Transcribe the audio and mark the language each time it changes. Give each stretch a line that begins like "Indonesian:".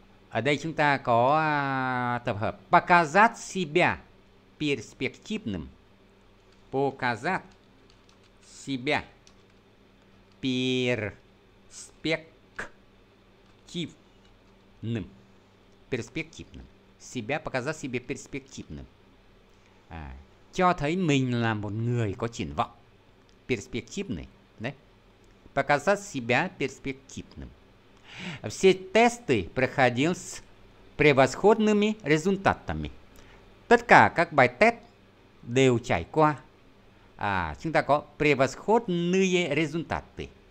Vietnamese: Ở đây chúng ta có tập hợp показать себя перспективным, показать себя перспективным.
Russian: Перспективным. Себя показать себе перспективным.
Vietnamese: Cho thấy mình là một người có triển vọng.
Russian: Перспективный. Đấy. Показать себя перспективным. Все тесты проходил с превосходными результатами.
Vietnamese: Tất cả các bài test đều trải qua. Chúng ta có превосходные результаты.